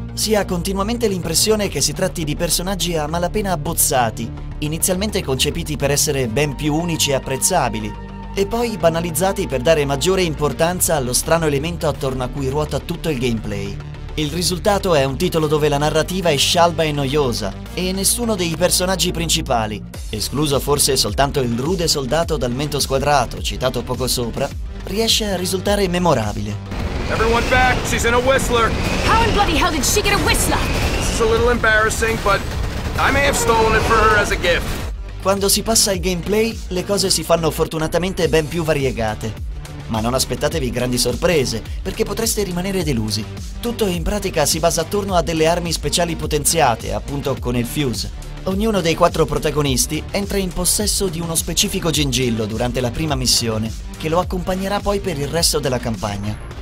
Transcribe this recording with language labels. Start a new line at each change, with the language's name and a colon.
Italian: Si ha continuamente l'impressione che si tratti di personaggi a malapena abbozzati, inizialmente concepiti per essere ben più unici e apprezzabili, e poi banalizzati per dare maggiore importanza allo strano elemento attorno a cui ruota tutto il gameplay. Il risultato è un titolo dove la narrativa è scialba e noiosa, e nessuno dei personaggi principali, escluso forse soltanto il rude soldato dal mento squadrato, citato poco sopra, riesce a risultare memorabile.
English: Everyone back, she's in a Whistler. How in bloody hell did she get a Whistler? This is a little embarrassing, but I may have stolen it for her as a gift.
Italian: Quando si passa al gameplay, le cose si fanno fortunatamente ben più variegate. Ma non aspettatevi grandi sorprese, perché potreste rimanere delusi. Tutto in pratica si basa attorno a delle armi speciali potenziate, appunto con il Fuse. Ognuno dei quattro protagonisti entra in possesso di uno specifico gingillo durante la prima missione, che lo accompagnerà poi per il resto della campagna.